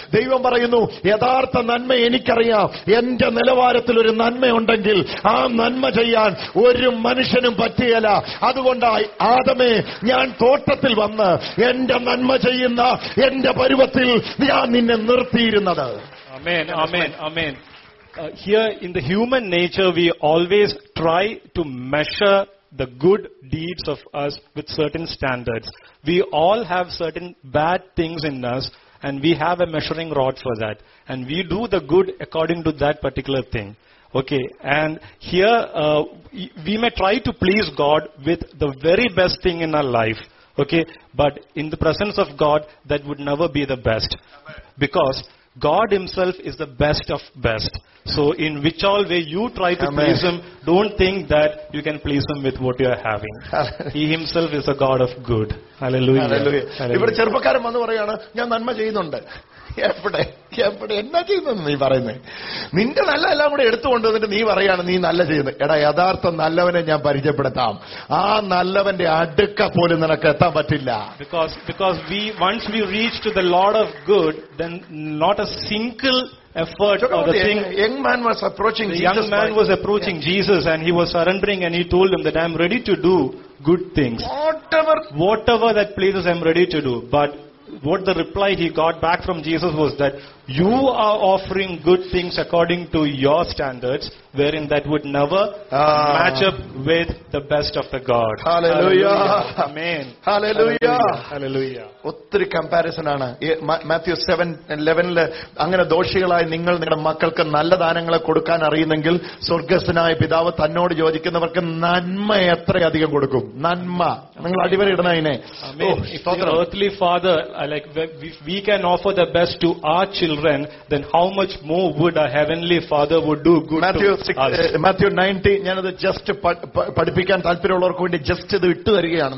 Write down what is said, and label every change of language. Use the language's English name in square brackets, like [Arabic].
[Malayalam] ദൈവം പറയുന്നു, യഥാർത്ഥ നന്മ എനിക്കറിയാം. എന്റെ നിലവാരത്തിൽ ഒരു നന്മയുണ്ടെങ്കിൽ ആ നന്മ ചെയ്യാൻ ഒരു മനുഷ്യനും പറ്റിയല്ല. അതുകൊണ്ടായി ആദമേ, ഞാൻ തോട്ടത്തിൽ വന്ന് എന്റെ നന്മ ചെയ്യുന്ന എന്റെ പരുവത്തിൽ ഞാൻ നിന്നെ നിർത്തിയിരുന്നത്. ആമേൻ, ആമേൻ, ആമേൻ. [English] Here in the human nature, we always try to measure the good deeds of us with certain standards. We all have certain bad things in us and we have a measuring rod for that. And we do the good according to that particular thing. Okay, and here we may try to please God with the very best thing in our life. Okay, but in the presence of God, that would never be the best. Because God himself is the best of best. So in which all way you try to Amen. Please him, don't think that you can please him with what you are having. He himself is a God of good. Hallelujah. Hallelujah. [Malayalam] ഇവിടെ ചെറുപ്പക്കാരൻ വന്ന് പറയാണ്, ഞാൻ നന്മ ചെയ്യുന്നുണ്ട്. എവിടെ എവിടെ എന്നാ ചെയ്യുന്നത് നീ പറയുന്നേ? നിന്റെ നല്ല എല്ലാം കൂടെ എടുത്തുകൊണ്ട് വന്നിട്ട് നീ പറയാണ് നീ നല്ല ചെയ്യുന്നത്. എടാ, യഥാർത്ഥം നല്ലവനെ ഞാൻ പരിചയപ്പെടുത്താം, ആ നല്ലവന്റെ അടുക്ക പോലും നിനക്ക് എത്താൻ പറ്റില്ല. [English] Because we reach to the Lord of good, then not a single effort or the thing. The young man was approaching yeah. Jesus and he was surrendering and he told him that I am ready to do good things, whatever that pleases, I am ready to do. But what the reply he got back from Jesus was that you are offering good things according to your standards, wherein that would never match up with the best of the God. Hallelujah. Amen. Hallelujah. Hallelujah. [Malayalam] ഒത്തിരി comparison ആണ്. മാത്യു 7:11 അങ്ങനെ ദോഷികളായി നിങ്ങൾ നിങ്ങളുടെ മക്കൾക്ക് നല്ല ദാനങ്ങളെ കൊടുക്കാൻ അറിയുന്നെങ്കിൽ സ്വർഗസ്ഥനായ പിതാവ് തന്നോട് യോജിക്കുന്നവർക്ക് നന്മ എത്രയധികം കൊടുക്കും? നന്മ നിങ്ങൾ അടിവരെ ഇടുന്നതിനെ. [English] Earthly Father, like we can offer the best to our children. children, then how much more would our heavenly Father would do good Matthew, to [Malayalam] Matthew 19, ഞാനത് ജസ്റ്റ് പഠിപ്പിക്കാൻ താല്പര്യമുള്ളവർക്ക് വേണ്ടി ജസ്റ്റ് ഇത് ഇട്ട് തരികയാണ്.